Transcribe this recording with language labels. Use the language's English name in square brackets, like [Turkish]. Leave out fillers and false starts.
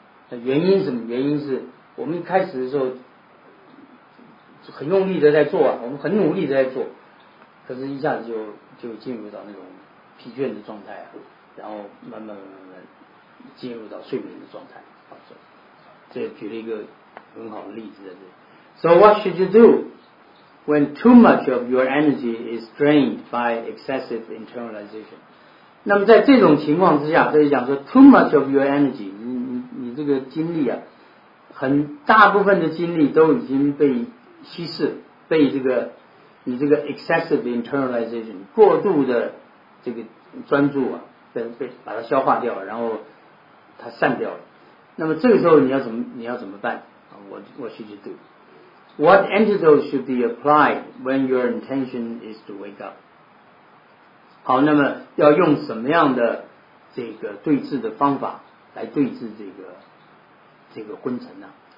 [Chinese] 那原因是什么？原因是我们一开始的时候很用力的在做啊，我们很努力的在做，可是一下子就进入到那种疲倦的状态啊，然后慢慢进入到睡眠的状态。这举了一个很好的例子在这里。 [English] So what should you do when too much of your energy is drained by excessive internalization? [Chinese] 那么在这种情况之下，这里讲说 [English] too much of your energy, [Chinese] 你这个精力啊，很大部分的精力都已经被稀释，被这个你这个 [English] excessive internalization [Chinese] 过度的这个专注啊，被把它消化掉，然后它散掉了。那么这个时候你要怎么办？ [English] What should you do? What antidote should be applied when your intention is to wake up? [Chinese] 好，那么要用什么样的这个对治的方法来对治这个昏沉呢？